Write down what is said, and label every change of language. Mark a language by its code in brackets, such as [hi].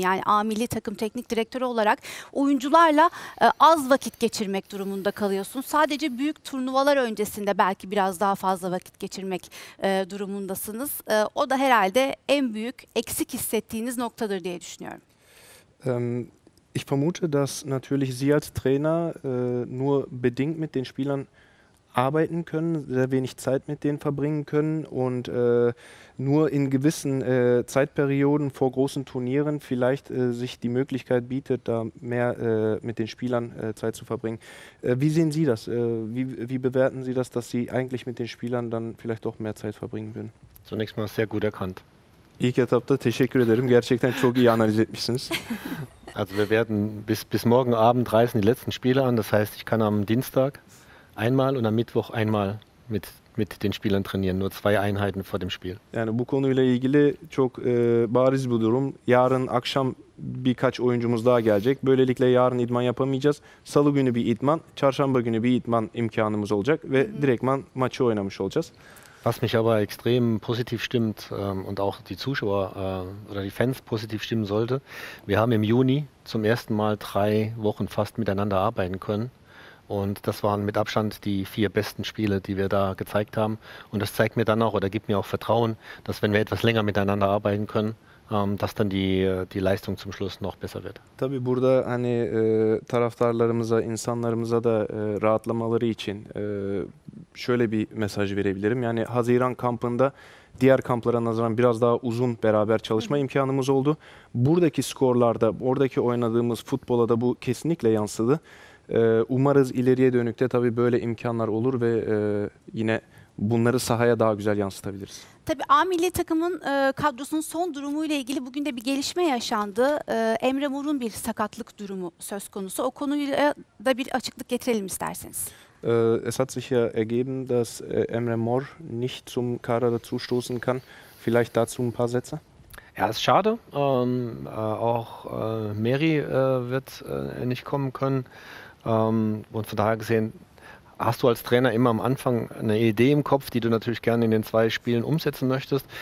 [tr] Yani A milli takım teknik direktörü olarak oyuncularla az vakit geçirmek durumunda kalıyorsunuz. Sadece büyük turnuvalar öncesinde belki biraz daha fazla vakit geçirmek durumundasınız. O da herhalde en büyük eksik hissettiğiniz noktadır diye düşünüyorum. [de] Ich vermute, dass natürlich Sie als Trainer nur bedingt mit den Spielern arbeiten können, sehr wenig Zeit mit denen verbringen können und nur in gewissen Zeitperioden vor großen Turnieren vielleicht sich die Möglichkeit bietet, da mehr mit den Spielern Zeit zu verbringen. Wie sehen Sie das? Wie bewerten Sie das, dass Sie eigentlich mit den Spielern dann vielleicht doch mehr Zeit verbringen würden? Zunächst mal sehr gut erkannt. [tr] İlk etapta teşekkür ederim. Gerçekten çok iyi analiz etmişsiniz. [de] Also wir werden bis morgen Abend reisen die letzten Spiele an. Das heißt, ich kann am Dienstag einmal und am Mittwoch einmal mit den Spielern trainieren. Nur zwei Einheiten vor dem Spiel. [tr] Yani bu konuyla ilgili çok bariz bir durum. Yarın akşam birkaç oyuncumuz daha gelecek. Böylelikle yarın idman yapamayacağız. Salı günü bir idman, çarşamba günü bir idman imkanımız olacak ve direktman maçı oynamış olacağız. [de] Was mich aber extrem positiv stimmt und auch die Zuschauer oder die Fans positiv stimmen sollte, wir haben im Juni zum ersten Mal drei Wochen fast miteinander arbeiten können. Und das waren mit Abstand die vier besten Spiele, die wir da gezeigt haben. Und das zeigt mir dann auch oder gibt mir auch Vertrauen, dass wenn wir etwas länger miteinander arbeiten können, dass dann die Leistung zum Schluss noch besser wird. [tr] Tabii burada hani taraftarlarımıza, insanlarımıza da rahatlamaları için şöyle bir mesaj verebilirim. Yani Haziran kampında diğer kamplara nazaran biraz daha uzun beraber çalışma imkanımız oldu. Buradaki skorlarda, oradaki oynadığımız futbola da bu kesinlikle yansıdı. Umarız ileriye dönük de tabii böyle imkanlar olur ve yine bunları sahaya daha güzel yansıtabiliriz. Tabii A milli takımın kadrosunun son durumuyla ilgili bugün de bir gelişme yaşandı. Emre Mor'un bir sakatlık durumu söz konusu. O konuyla da bir açıklık getirelim isterseniz. [de] Es hat sich ja ergeben, dass Emre Mor nicht zum Kader dazustoßen kann. Vielleicht dazu ein paar Sätze? Ja, ist schade. Auch Mary wird nicht kommen können. Und von daher gesehen, hast du als Trainer immer am Anfang eine Idee im Kopf, die du natürlich gerne in den zwei Spielen umsetzen möchtest.